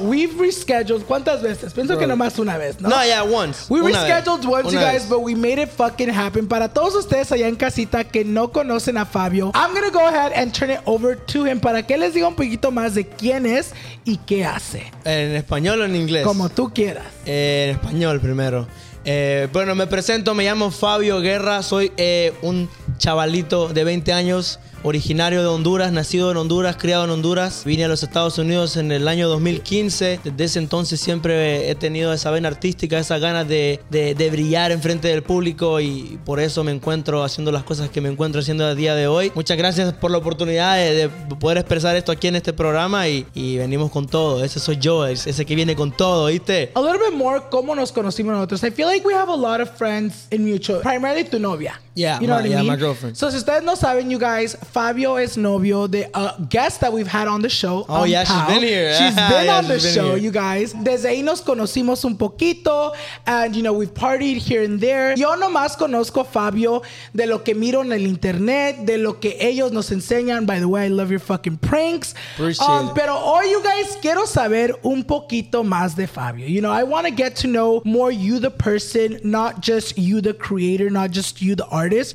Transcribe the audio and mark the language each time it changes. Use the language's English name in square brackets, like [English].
[English] We've rescheduled, [Spanish] ¿cuántas veces? Pienso que nomás una vez, ¿no? [English] No, yeah, once. We rescheduled once, you guys. But we made it fucking happen. [Spanish] Para todos ustedes allá en casita que no conocen a Fabio, [English] I'm gonna go ahead and turn it over to him [Spanish] para que les diga un poquito más de quién es y qué hace. ¿En español o en inglés? Como tú quieras. En español primero. Bueno, me presento, me llamo Fabio Guerra, soy un chavalito de 20 años, originario de Honduras, nacido en Honduras, criado en Honduras. Vine a los Estados Unidos en el año 2015. Desde ese entonces siempre he tenido esa vena artística, esas ganas de brillar enfrente del público y por eso me encuentro haciendo las cosas que me encuentro haciendo a día de hoy. Muchas gracias por la oportunidad de poder expresar esto aquí en este programa y venimos con todo. Ese soy yo, ese que viene con todo, ¿viste? [English] A little bit more, [Spanish] ¿cómo nos conocimos nosotros? [English] I feel like we have a lot of friends in mutual, primarily [Spanish] tu novia. [English] Yeah, you know my girlfriend. So [Spanish] si ustedes no saben, [English] you guys, [Spanish] Fabio es novio de [English] a guest that we've had on the show. Oh, yeah, Pau. She's been on the show. You guys. [Spanish] Desde ahí nos conocimos un poquito [English] and, you know, we've partied here and there. [Spanish] Yo nomás conozco a Fabio de lo que miro en el internet, de lo que ellos nos enseñan. [English] By the way, I love your fucking pranks. Appreciate it. [Spanish] Pero hoy, [English] you guys, [Spanish] quiero saber un poquito más de Fabio. [English] You know, I want to get to know more you the person, not just you the creator, not just you the artist.